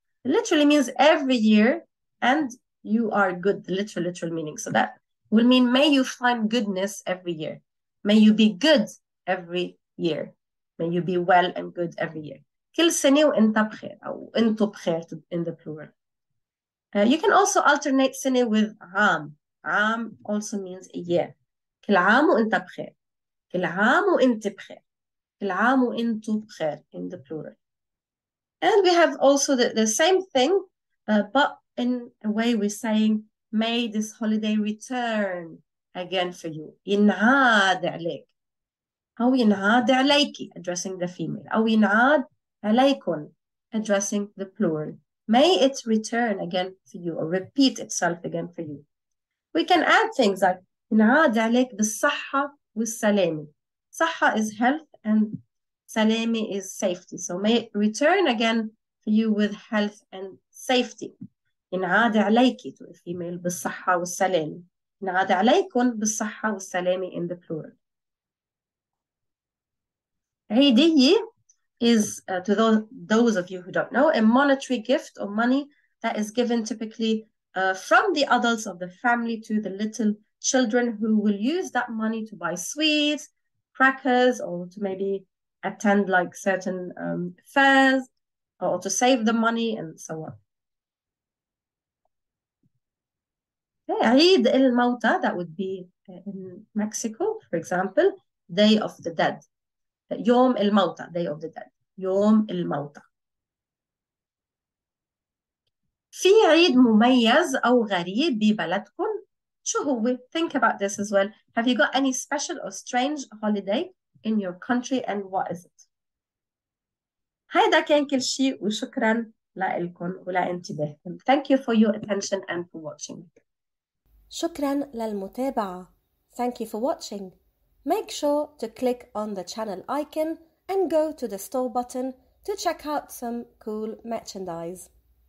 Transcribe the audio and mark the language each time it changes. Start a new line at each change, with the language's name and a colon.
English: It literally means every year and you are good, the literal meaning. So that will mean may you find goodness every year. May you be good every year. May you be well and good every year.
Arabic: كل سنة وأنت بخير أو أنتو بخير
English: in the plural. You can also alternate سنة with عام. عام also means a year.
Arabic: كل عام وأنت بخير. كل عام وأنت بخير. كل عام وأنتو بخير
English: in the plural. And we have also the same thing, but in a way we're saying, may this holiday return again for you.
Arabic: ينعاد عليك. أو ينعاد عليكي,
English: addressing the female.
Arabic: أو ينعاد عليكم,
English: addressing the plural. May it return again for you or repeat itself again for you. We can add things like
Arabic: ينعاد عليك بالصحة والسلامة.
English: صحة is health and سلامي is safety. So may it return again for you with health and safety.
Arabic: ينعاد عليكي
English: to a female
Arabic: بالصحة والسلامة. ينعاد عليكم بالصحة والسلامة
English: in the plural. عيدية is to those of you who don't know, a monetary gift or money that is given typically from the adults of the family to the little children who will use that money to buy sweets, crackers, or to maybe attend like certain fairs, or to save the money and so on. عيد الموتى, that would be in Mexico, for example, Day of the Dead.
Arabic: يوم الموتى,
English: Day of the Dead.
Arabic: يوم الموتى. في عيد مميز أو غريب ببلدكم؟ شو هو؟
English: Think about this as well. Have you got any special or strange holiday in your country and what is it?
Arabic: هذا كان كل شيء وشكرا لكم ولانتباهكم.
English: Thank you for your attention and for watching.
Arabic: شكرا للمتابعة.
English: Thank you for watching. Make sure to click on the channel icon and go to the store button to check out some cool merchandise.